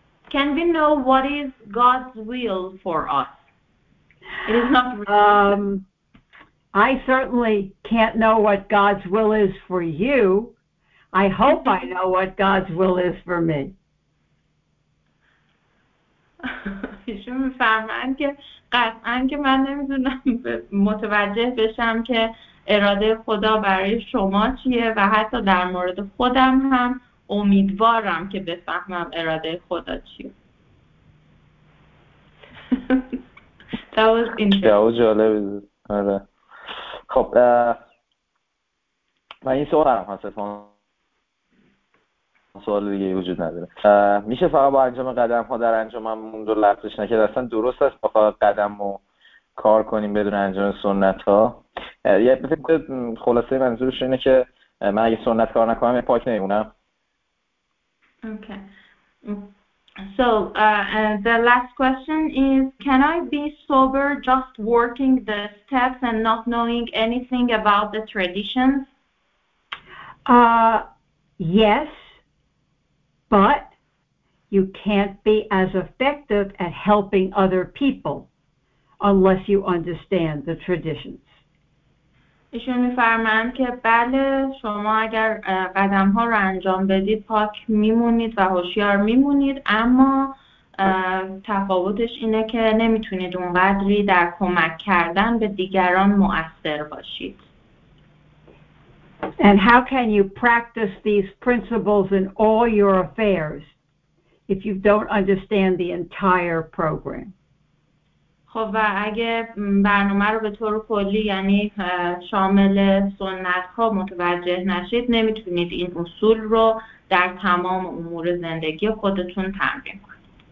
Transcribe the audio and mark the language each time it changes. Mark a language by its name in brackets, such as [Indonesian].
[English] Can we know what is God's will for us? It is not related. I certainly can't know what God's will is for you. I hope I know what God's will is for me. [Persian] ایشون میفرمان که قطعاً که من نمیدونم متوجه بشم که اراده خدا برای شما چیه و حتی در مورد خودم هم امیدوارم که بفهمم اراده خدا چیه. [English] That was interesting. That was [Persian] جالب. آره. خب من این سوال هم هست، سوال دیگه وجود نداره. میشه فقط با انجام قدم ها در انجاممون رو لفظش نکرد اصلا درست است فقط قدم رو کار کنیم بدون انجام سنت ها؟ یعنی خلاصه منظورش اینه که من اگه سنت کار نکنم پاک نمیمونم. [English] The last question is, can I be sober just working the steps and not knowing anything about the traditions? Yes, but you can't be as effective at helping other people unless you understand the traditions. [Persian] ایشون میفرمایند که بله شما اگر قدم ها رو انجام بدید پاک میمونید و هوشیار میمونید، اما تفاوتش اینه که نمیتونید اونقدری در کمک کردن به دیگران مؤثر باشید. [English] And how can you practice these principles in all your affairs if you don't understand the entire program? [Persian] خب و اگه برنامه رو به طور کلی یعنی شامل سنت ها متوجه نشید نمیتونید این اصول رو در تمام امور زندگی خودتون تمرین کنید.